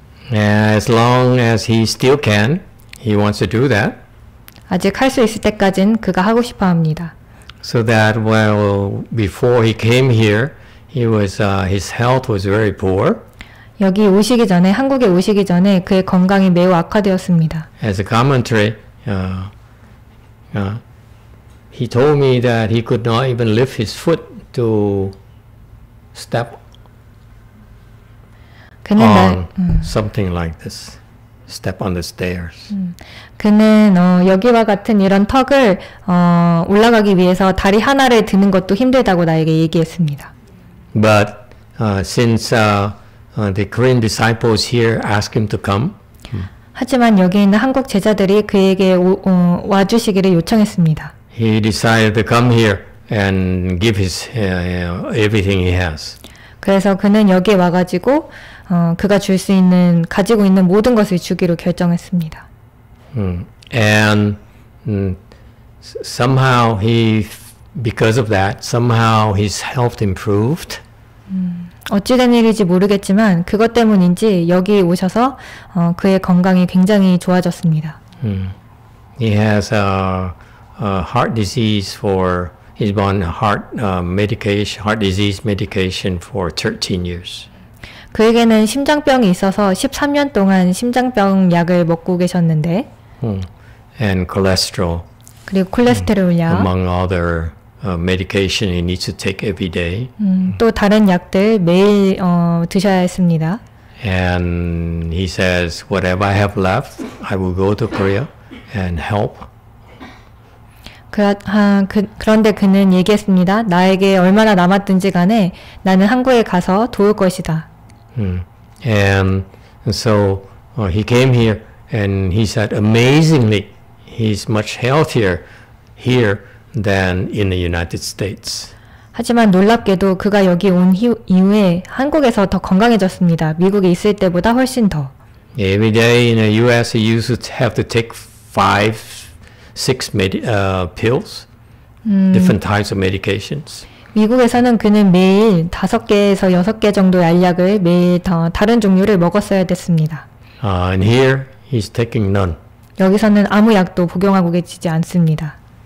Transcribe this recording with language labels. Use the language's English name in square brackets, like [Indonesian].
[English] As long as he still can, he wants to do that. [Korean] 아직 할 수 있을 때까지는 그가 하고 싶어 합니다. [English] So that while before he came here, he was his health was very poor. [Korean] 여기 오시기 전에 한국에 오시기 전에 그의 건강이 매우 악화되었습니다. [English] As a commentary, he told me that he could not even lift his foot to step on something like this. Step on the stairs. [Korean] 그는 여기와 같은 이런 턱을 올라가기 위해서 다리 하나를 드는 것도 힘들다고 나에게 얘기했습니다. [English] But since the Korean disciples here asked him to come. [Korean] 하지만 여기 있는 한국 제자들이 그에게 와주시기를 요청했습니다. [English] He decided to come here and give his everything he has. [Korean] 그래서 그는 여기 와가지고 그가 줄 수 있는 가지고 있는 모든 것을 주기로 결정했습니다. [English] And somehow he because of that somehow his health improved. [Korean] 어찌된 일인지 모르겠지만 그것 때문인지 여기 오셔서 그의 건강이 굉장히 좋아졌습니다. [English] He has a heart disease for he's been on heart medication heart disease medication for 13 years. [Korean] 그에게는 심장병이 있어서 13년 동안 심장병 약을 먹고 계셨는데 [English] and cholesterol [Korean] 그리고 콜레스테롤 약 [English] among other medication he needs to take every day [Korean] 또 다른 약들 매일 드셔야 했습니다 [English] and he says whatever I have left I will go to Korea and help [Korean] 그런데 그는 얘기했습니다 나에게 얼마나 남았든지 간에 나는 한국에 가서 도울 것이다 [English] And so he came here and he said amazingly he's much healthier here than in the United States. [Korean] 하지만 놀랍게도 그가 여기 온 이후에 한국에서 더 건강해졌습니다. 미국에 있을 때보다 훨씬 더. [English] Every day in the US you used to have to take 5-6 pills. Different types of medications. [Korean] 미국에서는 그는 매일 5개에서 6개 정도의 알약을 매일 다른 종류를 먹었어야 됐습니다. [English] And here he's taking none. [Korean] 여기서는 아무 약도 복용하고 계시지 않습니다.